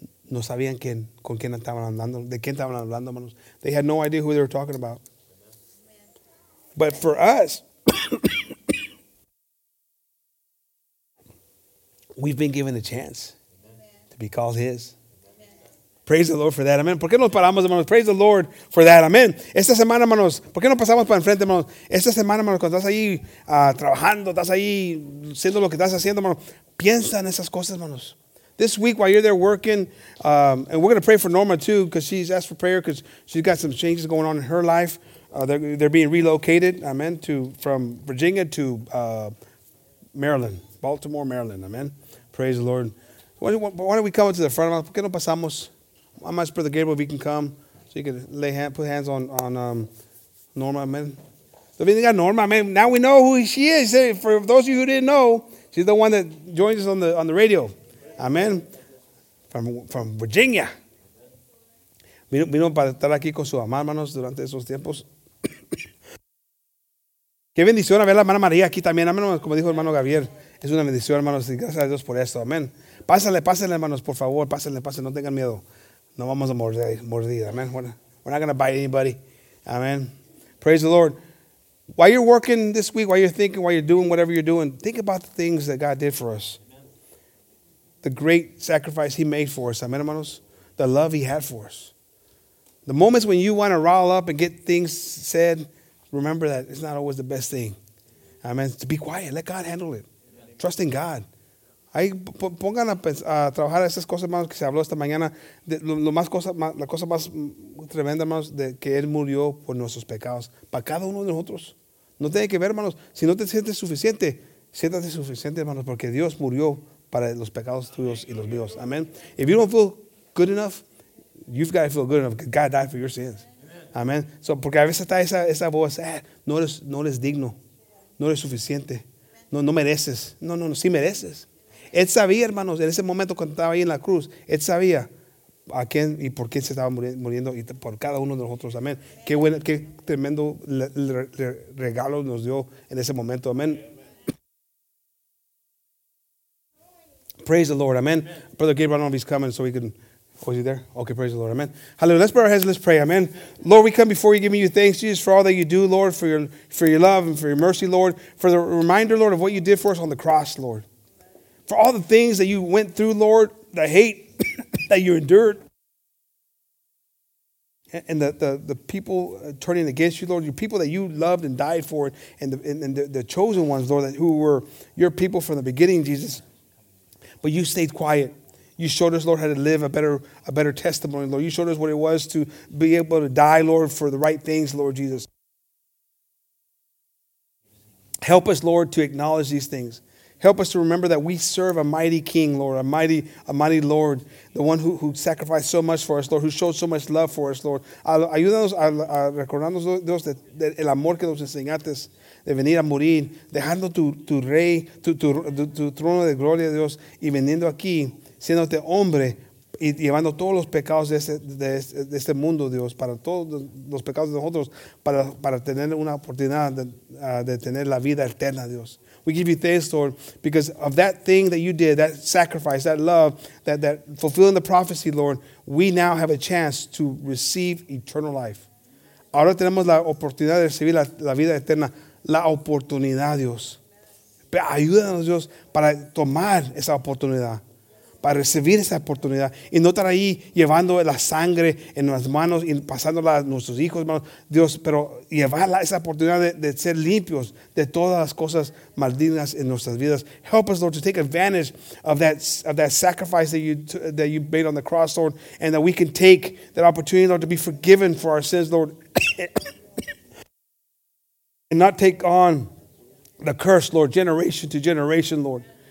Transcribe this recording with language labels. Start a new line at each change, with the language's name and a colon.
Spanish: No sabían quién, con quién estaban hablando, de quién estaban hablando, hermanos.
English: They had no idea who they were talking about. Amen. But for us, we've been given a chance to be called his. Praise the Lord for that. Amen.
Spanish: ¿Por qué nos paramos, hermanos?
English: Praise the Lord for that. Amen.
Spanish: Esta semana, hermanos, ¿por qué no pasamos para enfrente, hermanos? Esta semana, hermanos, cuando estás ahí trabajando, estás ahí haciendo lo que estás haciendo, hermanos, piensa en esas cosas, hermanos.
English: This week, while you're there working, and we're going to pray for Norma, too, because she's asked for prayer because she's got some changes going on in her life. They're being relocated, amen, from Virginia to Maryland. Baltimore, Maryland. Amen. Praise the Lord. Why don't we come up to the front?
Spanish: ¿Por qué no pasamos?
English: I'm asking Brother Gabriel if he can come so he can put hands on Norma. Amen.
Spanish: Venga Norma.
English: Amen. Now we know who she is. For those of you who didn't know, she's the one that joins us on the radio. Amen. From Virginia.
Spanish: Vino para estar aquí con su mamá, hermanos, durante esos tiempos. Qué bendición a ver a la hermana María aquí también. Amén, como dijo hermano Gabriel. Es una bendición, hermanos, y gracias a Dios por esto. Amén. Pásenle, hermanos, por favor. Pásenle. No tengan miedo. No vamos a mordir.
English: Amén. We're not going to bite anybody. Amén. Praise the Lord. While you're working this week, while you're thinking, while you're doing whatever you're doing, think about the things that God did for us. Amen. The great sacrifice he made for us. Amén, hermanos. The love he had for us. The moments when you want to rile up and get things said, remember that it's not always the best thing. Amén. To be quiet. Let God handle it. Trust in God.
Spanish: Ahí pongan a trabajar esas cosas, hermanos, que se habló esta mañana. La cosa más tremenda, hermanos, de que Él murió por nuestros pecados. Para cada uno de nosotros. No tiene que ver, hermanos. Si no te sientes suficiente, siéntate suficiente, hermanos, porque Dios murió para los pecados tuyos y los míos.
English: Amen. If you don't feel good enough, you've got to feel good enough because God died for your sins. Amen.
Spanish: So, porque a veces está esa voz, no eres digno, no eres suficiente. No mereces. No, sí mereces. Él sabía, hermanos, en ese momento cuando estaba ahí en la cruz, Él sabía a quién y por quién se estaba muriendo y por cada uno de nosotros. Amén. Qué tremendo regalo nos dio en ese momento. Amén.
English: Praise the Lord. Amén. Brother Gabriel, I don't know if he's coming so we can... Was he there? Okay, praise the Lord. Amen. Hallelujah. Let's bow our heads and let's pray. Amen. Lord, we come before you giving you thanks, Jesus, for all that you do, Lord, for your love and for your mercy, Lord, for the reminder, Lord, of what you did for us on the cross, Lord. for all the things that you went through, Lord, the hate that you endured, and the people turning against you, Lord, your people that you loved and died for, and the chosen ones, Lord, that who were your people from the beginning, Jesus. But you stayed quiet. You showed us, Lord, how to live a better testimony, Lord. You showed us what it was to be able to die, Lord, for the right things, Lord Jesus. Help us, Lord, to acknowledge these things. Help us to remember that we serve a mighty King, Lord, a mighty Lord, the one who sacrificed so much for us, Lord, who showed so much love for us, Lord.
Spanish: Ayúdanos a recordarnos, Dios, el amor que nos enseñaste de venir a morir, dejando tu rey, tu trono de gloria, Dios, y viniendo aquí, siendo este hombre, y llevando todos los pecados de este mundo, Dios, para todos los pecados de nosotros, para tener una oportunidad de tener la vida eterna, Dios.
English: We give you thanks, Lord, because of that thing that you did, that sacrifice, that love, that fulfilling the prophecy, Lord, we now have a chance to receive eternal life.
Spanish: Ahora tenemos la oportunidad de recibir la vida eterna, la oportunidad, Dios. Pero ayúdanos, Dios, para tomar esa oportunidad, para recibir esa oportunidad y no estar ahí llevando la sangre en las manos y pasándola a nuestros hijos, hermanos. Dios, pero llevar esa oportunidad de ser limpios de todas las cosas malditas en nuestras vidas.
English: Help us, Lord, to take advantage of that sacrifice that you made on the cross, Lord, and that we can take that opportunity, Lord, to be forgiven for our sins, Lord, and not take on the curse, Lord, generation to generation, Lord.